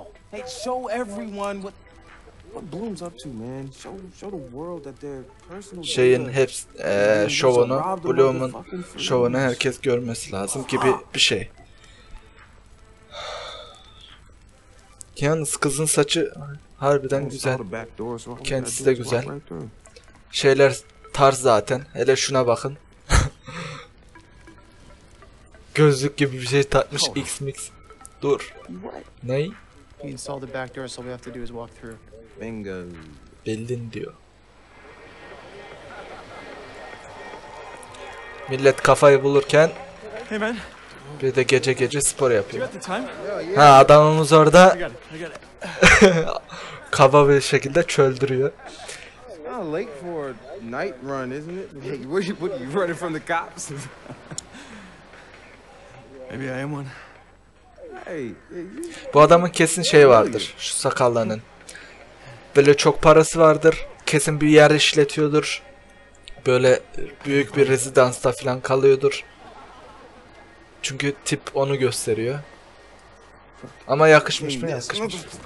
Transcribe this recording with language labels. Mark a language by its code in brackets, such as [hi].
[en] Hey, show everyone what Bloom's up to, man. Show the world that their personal [tr] şeyin hepsi şovunu, Bloom'un şovunu herkes görmesi lazım gibi bir şey. Yalnız kızın saçı harbiden güzel. Kendisi de güzel. Şeyler tarz zaten. Hele şuna bakın. Gözlük gibi bir şey takmış X-Mix. Dur. Ney? [en] He installed the back door, so we have to do is walk through. Bingo. [tr] Bildin diyor. Millet kafayı bulurken. [en] Hey man. [tr] Bir de gece spor yapıyor. Ha adamımız orada. Kaba bir şekilde çöldürüyor. [en] Oh, late for night run, isn't it? Hey, what are you running from the cops? Maybe I am one. [tr] Bu adamın kesin şey vardır, şu sakallarının. Böyle çok parası vardır, kesin bir yer işletiyordur. Böyle büyük bir rezidansta falan kalıyordur. Çünkü tip onu gösteriyor. Ama yakışmış mı? Yakışmış.